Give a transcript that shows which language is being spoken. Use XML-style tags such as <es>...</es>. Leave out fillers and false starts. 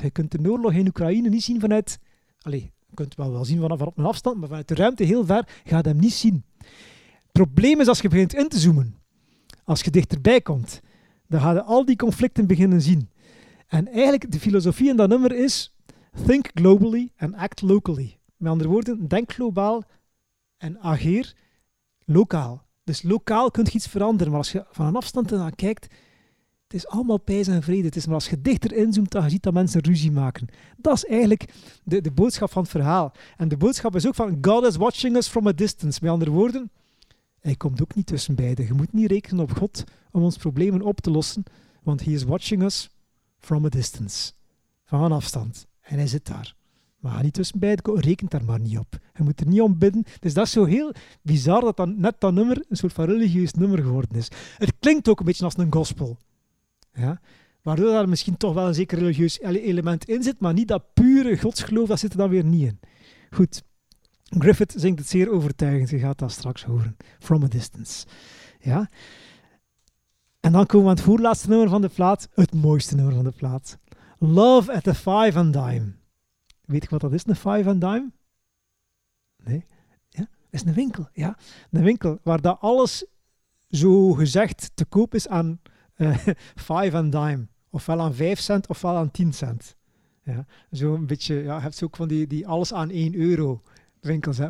<nl>Je kunt de oorlog in Oekraïne niet zien vanuit... Allee, je kunt het wel zien vanaf op een afstand, maar vanuit de ruimte heel ver gaat hem niet zien. Het probleem is als je begint in te zoomen. Als je dichterbij komt, dan ga je al die conflicten beginnen zien. En eigenlijk, de filosofie in dat nummer is...</nl> <en>Think globally and act locally.</en> <nl>Met andere woorden, denk globaal en ageer lokaal. Dus lokaal kun je iets veranderen, maar als je van een afstand ernaar kijkt, het is allemaal pijs en vrede. Het is maar als je dichter inzoomt, dan zie je dat mensen ruzie maken. Dat is eigenlijk de boodschap van het verhaal. En de boodschap is ook van</nl> <en>God is watching us from a distance.</en> <nl>Met andere woorden, hij komt ook niet tussen beiden. Je moet niet rekenen op God om ons problemen op te lossen, want</nl> <en>he is watching us from a distance.</en> <nl>Van een afstand. En hij zit daar. Maar ga niet tussenbij, rekent daar maar niet op. Je moet er niet om bidden. Dus dat is zo heel bizar dat net dat nummer een soort van religieus nummer geworden is. Het klinkt ook een beetje als een gospel. Ja? Waardoor daar misschien toch wel een zeker religieus element in zit, maar niet dat pure godsgeloof, dat zit er dan weer niet in. Goed, Griffith zingt het zeer overtuigend. Je gaat dat straks horen. From a Distance. Ja? En dan komen we aan het voorlaatste nummer van de plaat. Het mooiste nummer van de plaat. Love at the Five and Dime. Weet je wat dat is, een Five and Dime? Nee? Ja, dat is een winkel. Ja, een winkel waar dat alles zo gezegd te koop is aan Five and Dime. Ofwel aan 5 cent, ofwel aan 10 cent. Ja, zo een beetje, ja, heb je ook van die alles aan 1 euro winkels. Hè?</nl>